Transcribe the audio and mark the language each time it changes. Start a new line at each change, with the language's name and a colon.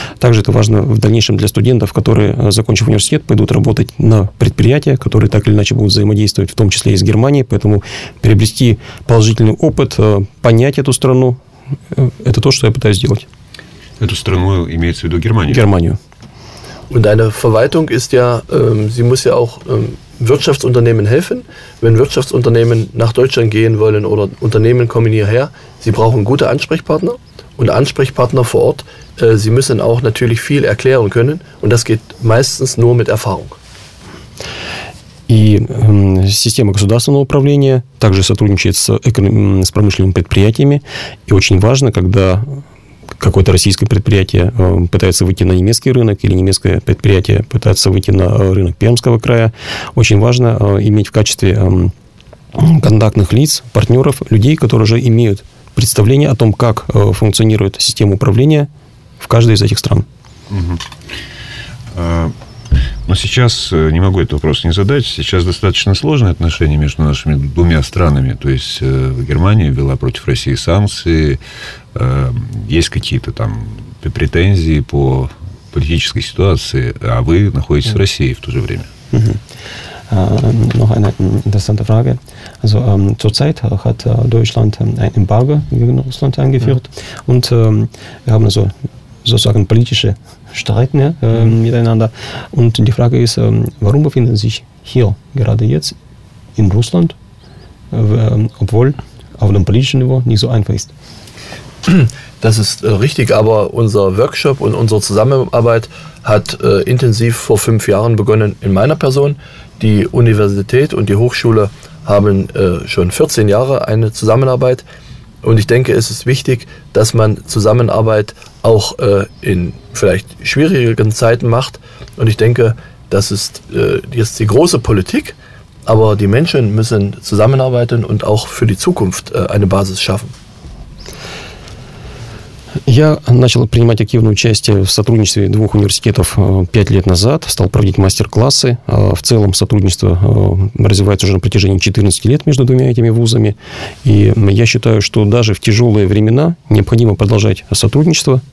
Russian: Также это важно в дальнейшем для студентов, которые, закончив университет, пойдут работать на предприятия, которые так или иначе будут взаимодействовать, в том числе и с Германией. Поэтому приобрести положительный опыт, понять эту страну, это то, что я пытаюсь сделать. Эту страну имеется в виду Германию? Германию.
German: Und deine Verwaltung ist ja, sie muss ja auch Wirtschaftsunternehmen helfen. Wenn Wirtschaftsunternehmen nach Deutschland gehen wollen oder Unternehmen kommen hierher, sie brauchen gute Ansprechpartner und Ansprechpartner vor Ort. Sie müssen auch natürlich viel erklären können und das geht meistens nur mit Erfahrung.
Russian: И система государственного управления также сотрудничает с промышленными предприятиями. И очень важно, когда какое-то российское предприятие пытается выйти на немецкий рынок или немецкое предприятие пытается выйти на рынок Пермского края, очень важно иметь в качестве контактных лиц, партнеров, людей, которые уже имеют представление о том, как функционирует система управления в каждой из этих стран. Но сейчас, не могу этот вопрос не задать, сейчас достаточно сложные отношения между нашими двумя странами. То есть Германия ввела против России санкции, есть какие-то там претензии по политической ситуации, а вы находитесь в России в то же время.
German: Noch eine interessante Frage. Also zurzeit hat Deutschland ein Embargo gegen Russland eingeführt und wir haben also sozusagen politische streiten miteinander. Und die Frage ist, warum befinden sich hier gerade jetzt in Russland, obwohl auf dem politischen Niveau nicht so einfach ist? Das ist richtig, aber unser Workshop und unsere Zusammenarbeit hat intensiv vor 5 Jahren begonnen in meiner Person. Die Universität und die Hochschule haben schon 14 Jahre eine Zusammenarbeit. Und ich denke, es ist wichtig, dass man Zusammenarbeit auch in vielleicht schwierigeren Zeiten macht. Und ich denke, das ist jetzt die große Politik, aber die Menschen müssen zusammenarbeiten und auch für die Zukunft eine Basis schaffen.
Russian: Я начал принимать активное участие в сотрудничестве двух университетов 5 лет назад, стал проводить мастер-классы. В целом сотрудничество развивается уже на протяжении 14 лет между двумя этими вузами. И я считаю, что даже в тяжелые времена необходимо продолжать сотрудничество.